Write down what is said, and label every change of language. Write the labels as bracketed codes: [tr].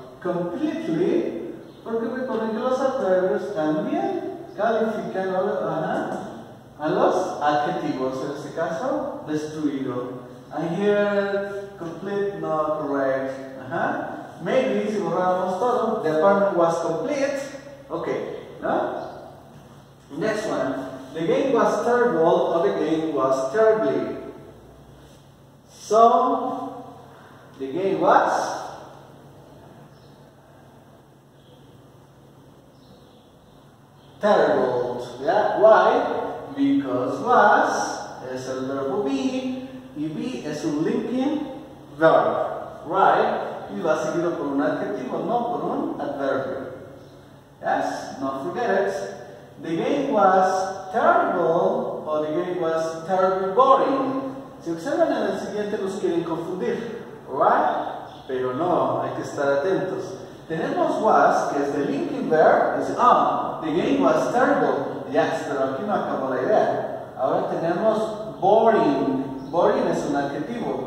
[en] Completely, [es] porque recuerden que los adverbios también califican a los adjetivos, en este caso, destruido. [en] I hear complete, not correct. Maybe [es] si borramos todo, [en] the apartment was complete. Okay, no? Next one. The game was terrible, or the game was terribly. So, the game was terrible. Yeah? Why? Because was is a verb be, y be is a linking verb. Right? [es] Y va seguido por un adjetivo, no por un adverbio. [en] Yes? Not forget it. The game was terrible, or the game was terribly boring. [es] Si observan en el siguiente, nos quieren confundir. [en] Right? [es] Pero no, hay que estar atentos. Tenemos was, que es [en] the linking verb. [es] Dice, ah, oh, [en] the game was terrible. Yes, [es] pero aquí no acabó la idea. Ahora tenemos boring. Boring es un adjetivo.